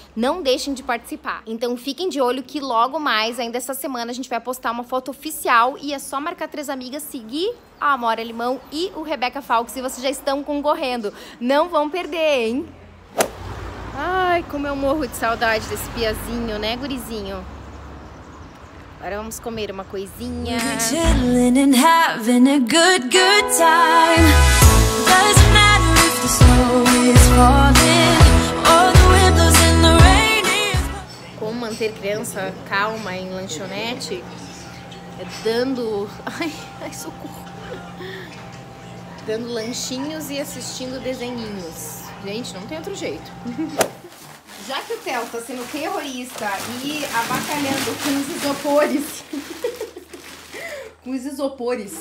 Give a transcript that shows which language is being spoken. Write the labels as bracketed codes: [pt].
[pt] Não deixem de participar. Então fiquem de olho que logo mais, ainda essa semana, a gente vai postar uma foto oficial e é só marcar três amigas, seguir a Amora Limão e o Rebeca Falks e vocês já estão concorrendo. Não vão perder, hein? Ai, como eu morro de saudade desse piazinho, né, gurizinho? Agora vamos comer uma coisinha. [en] We're chillin' and having a good, good time. Doesn't matter if the snow is falling or the wind blows in the rain. [pt] Como manter criança calma em lanchonete? É dando... Ai, socorro. Dando lanchinhos e assistindo desenhinhos. Gente, não tem outro jeito. Já que o Theo tá sendo terrorista e abacalhando com os isopores. Com os isopores.